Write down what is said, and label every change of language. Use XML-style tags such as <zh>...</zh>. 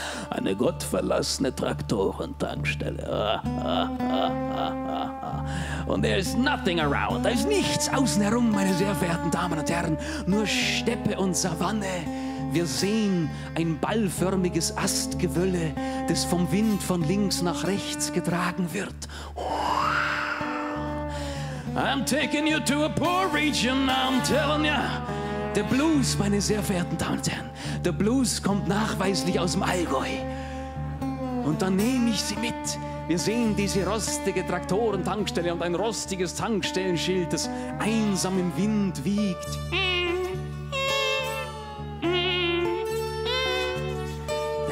<de>Eine gottverlassene Traktorentankstelle.</de> <en>Und there is nothing around.</en> <de>Da ist nichts außen herum, meine sehr verehrten Damen und Herren. Nur Steppe und Savanne. Wir sehen ein ballförmiges Astgewölle, das vom Wind von links nach rechts getragen wird.</de> <en>I'm taking you to a poor region, I'm telling you.</en> <de>Der Blues, meine sehr verehrten Damen und Herren, der Blues kommt nachweislich aus dem Allgäu. Und dann nehme ich sie mit. Wir sehen diese rostige Traktorentankstelle und ein rostiges Tankstellenschild, das einsam im Wind wiegt.</de>